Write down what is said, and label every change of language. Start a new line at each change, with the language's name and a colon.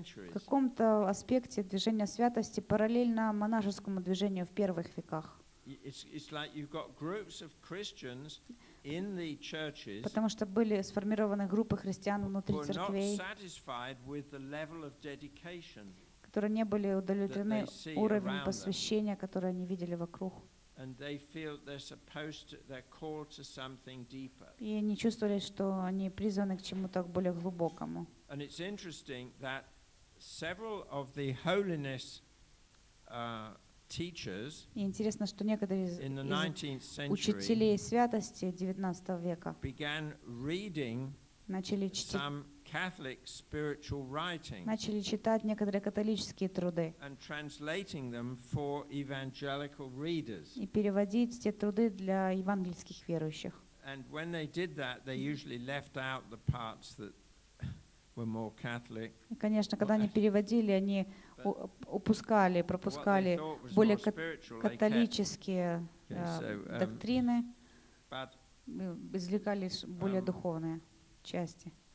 Russian: В каком-то аспекте движение святости параллельно монашескому движению в первых веках.
English: It's like you've got groups of Christians in the churches.
Russian: Потому что были сформированы группы христиан внутри церквей,
English: not satisfied with the level of dedication,
Russian: которые не были удовлетворены уровнем посвящения, которое они видели вокруг.
English: And they feel they're called to something deeper.
Russian: И они чувствовали, что они призваны к чему-то более глубокому.
English: And it's interesting that several of the holiness teachers in the 19th century began reading some Catholic spiritual writings and translating them for evangelical readers. And when they did that, they usually left out the parts that were more Catholic.
Russian: Конечно, когда они переводили, они упускали, пропускали более католические доктрины, извлекали более духовные части.